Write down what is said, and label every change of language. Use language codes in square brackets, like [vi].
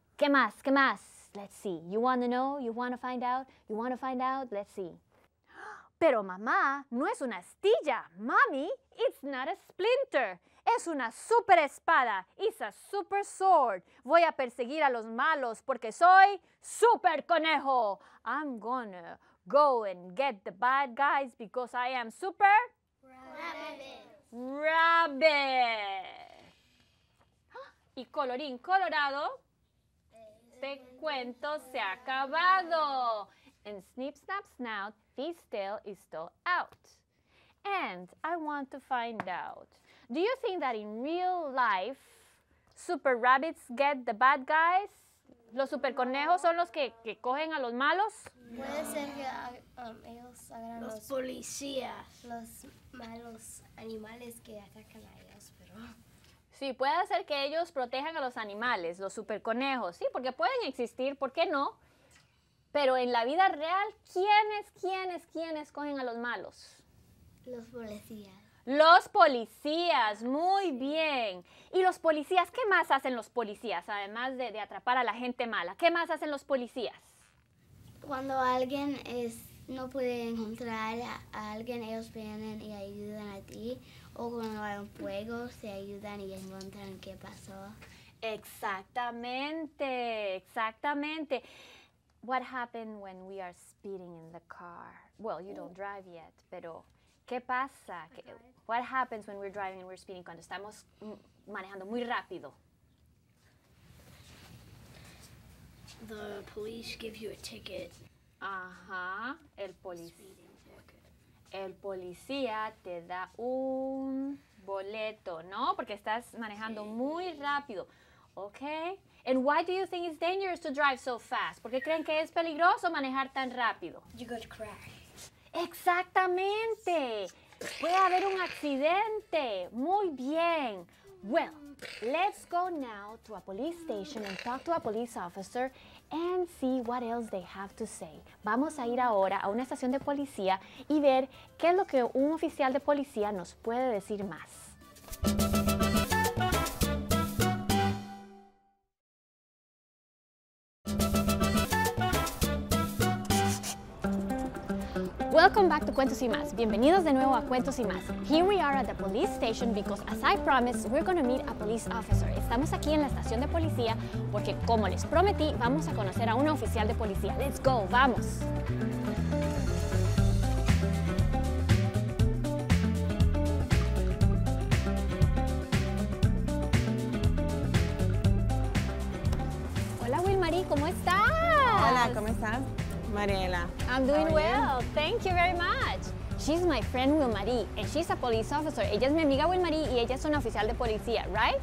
[es] ¿Qué más? ¿Qué más? [en] Let's see. You want to know? You want to find out? Let's see. [es] Pero mamá, no es una astilla. [en] Mommy, it's not a splinter. [es] Es una super espada. [en] It's a super sword. [es] Voy a perseguir a los malos porque soy super conejo. [en] I'm gonna go and get the bad guys because I am super... Rabbit. [es] Y colorín colorado, este cuento se ha acabado. [en] And snip, snap, snout, this tale is still out. And I want to find out, do you think that in real life, super rabbits get the bad guys? [es] ¿Los super conejos son los que cogen a los malos? No. Puede ser que ellos agarran los policías. Los malos animales que atacan a ellos, pero... Sí, puede ser que ellos protejan a los animales, los super conejos. Sí, porque pueden existir, ¿por qué no? Pero en la vida real, ¿quiénes cogen a los malos? Los policías. Los policías, muy bien. ¿Y los policías? ¿Qué más hacen los policías, además de atrapar a la gente mala? ¿Qué más hacen los policías? Cuando alguien no puede encontrar a alguien, ellos vienen y ayudan a ti. O cuando hay un fuego, se ayudan y encuentran qué pasó. Exactamente. [en] What happened when we are speeding in the car? Well, you don't drive yet, [es] pero ¿qué pasa? [en] What happens when we're driving and we're speeding? [es] Cuando estamos manejando muy rápido. [en] The police give you a ticket. [es] Ajá, el policía. El policía te da un boleto, ¿no? Porque estás manejando muy rápido. Okay. [en] And why do you think it's dangerous to drive so fast? [es] ¿Por qué creen que es peligroso manejar tan rápido? [en] You're gonna crash. [es] Exactamente. Puede haber un accidente. Muy bien. [en] Well, let's go now to a police station and talk to a police officer and see what else they have to say. [es] Vamos a ir ahora a una estación de policía y ver qué es lo que un oficial de policía nos puede decir más. [en] Welcome back to Cuentos y Más. [es] Bienvenidos de nuevo a Cuentos y Más. [en] Here we are at the police station because, as I promised, we're going to meet a police officer. [es] Estamos aquí en la estación de policía porque, como les prometí, vamos a conocer a un oficial de policía. [en] Let's go, vamos. [es] Mari, ¿cómo estás? Hola, ¿cómo estás? Mariela. [en] I'm doing well. Thank you very much. She's my friend Wilmarie, and she's a police officer. [es] Ella es mi amiga Wilmarie, y ella es una oficial de policía, right?